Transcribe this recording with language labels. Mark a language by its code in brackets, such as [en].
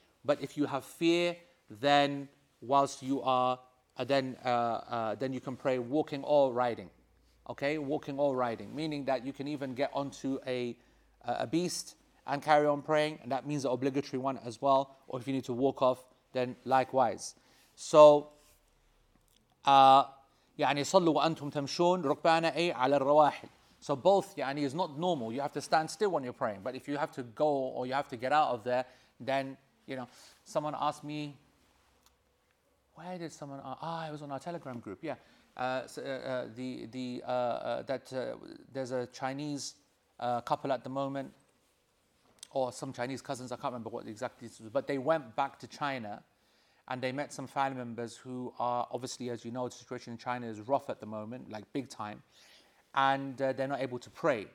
[en] But if you have fear, then whilst you are, then you can pray walking or riding. Okay, walking or riding, meaning that you can even get onto a beast and carry on praying, and that means the obligatory one as well. Or if you need to walk off, then likewise. [ar] So, يعني صلوا وأنتم تمشون ركبانا أي على الرواحل. [en] So both, يعني is not normal. You have to stand still when you're praying, but if you have to go or you have to get out of there, then you know. Someone asked me, where did someone? It was on our Telegram group. Yeah. There's a Chinese couple at the moment, or some Chinese cousins, I can't remember what exactly this was, but they went back to China and they met some family members who are obviously, as you know, the situation in China is rough at the moment, like big time, and they're not able to pray.